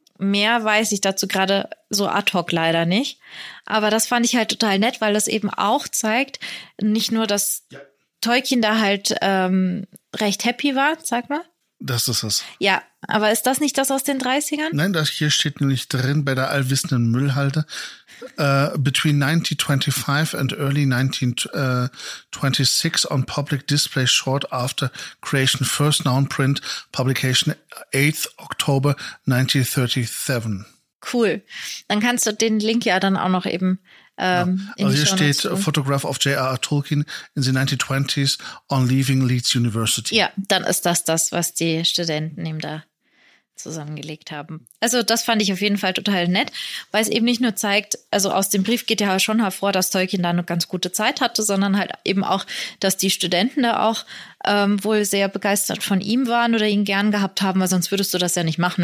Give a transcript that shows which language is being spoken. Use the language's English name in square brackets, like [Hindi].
[German] Mehr weiß ich dazu gerade so ad hoc leider nicht. Aber das fand ich halt total nett, weil das eben auch zeigt, nicht nur, dass Teukchen da halt recht happy war, sag mal. Das ist es. Ja, aber ist das nicht das aus den 30ern? Nein, das hier steht nämlich drin bei der allwissenden Müllhalde. [English] Between 1925 and early 1926 on public display short after creation first noun print publication 8th October 1937. [German] Cool. Dann kannst du den Link ja dann auch noch eben in also hier steht tun. [English] Photograph of J.R.R. Tolkien in the 1920s on leaving Leeds University. [German] Ja, dann ist das, was die Studenten eben da zusammengelegt haben. Also das fand ich auf jeden Fall total nett, weil es eben nicht nur zeigt, also aus dem Brief geht ja schon hervor, dass Tolkien da eine ganz gute Zeit hatte, sondern halt eben auch, dass die Studenten da auch wohl sehr begeistert von ihm waren oder ihn gern gehabt haben, weil sonst würdest du das ja nicht machen.